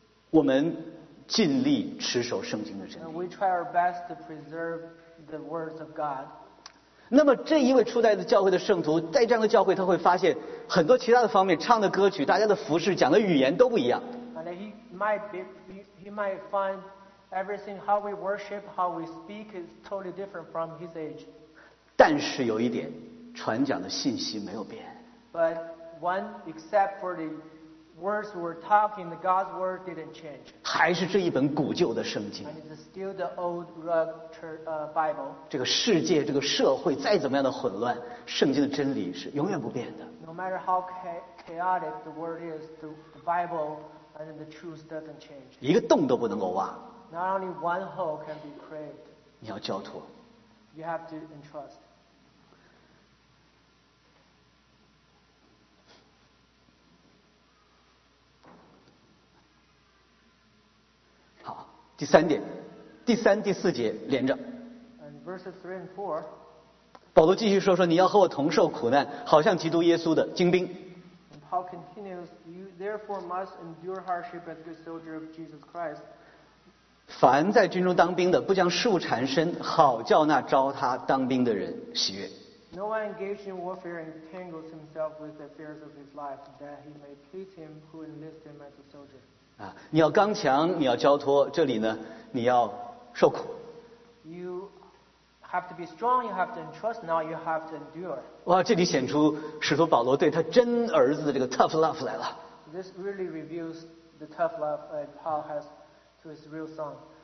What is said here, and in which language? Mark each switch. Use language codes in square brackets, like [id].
[zh] 我们尽力持守圣经的真理。 [en] And we try our best to preserve the words of God. [zh] 那么这一位初代的教会的圣徒，在这样的教会，他会发现很多其他的方面，唱的歌曲、大家的服饰、讲的语言都不一样。 [en] And he might find everything how we worship, how we speak is totally different from his age. [zh] 但是有一点，传讲的信息没有变。 [en] But one except for the words we're talking, the God's word didn't change. [zh] 还是这一本古旧的圣经。 [en] And it's still the old rug Bible. [zh] 这个世界，这个社会再怎么样的混乱，圣经的真理是永远不变的。 [en] No matter how chaotic the world is, the Bible and the truth doesn't change. [zh] 一个洞都不能够挖。 [en] Not only one hole can be craved. [zh] 你要交托。 [en] You have to entrust. [zh] 第三点，第三、第四节连着。 [en] And verses 3 and 4, [zh] 保罗继续说，你要和我同受苦难，好像基督耶稣的精兵。 [en] And Paul continues, you therefore must endure hardship as a good soldier of Jesus Christ. [zh] 凡在军中当兵的，不将事物缠身，好叫那招他当兵的人喜悦。 [en] No one engaged in warfare entangles himself with the affairs of his life, that he may please him who enlisted him as a soldier. [zh] 你要刚强，你要交托，这里呢你要受苦。 [en] You have to be strong, you have to entrust, now you have to endure. [zh] 哇，这里显出使徒保罗对他真儿子的这个 [en] tough love [zh] 来了。 [en] This really reveals the tough love that Paul has to his real son.